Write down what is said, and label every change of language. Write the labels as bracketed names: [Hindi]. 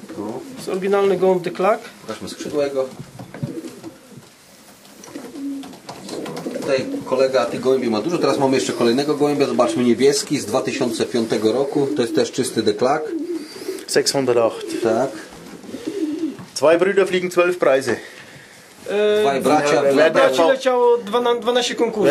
[Polish] To jest oryginalny gołąb deklak. Zobaczmy skrzydła jego. Tutaj kolega tych gołębi ma dużo, teraz mamy jeszcze kolejnego gołębia, zobaczmy, niebieski z 2005 roku, to jest też czysty deklak. 608. Tak. [German] Zwei Brüder fliegen 12 Preise. [Polish] Braci leciało 12 konkursów.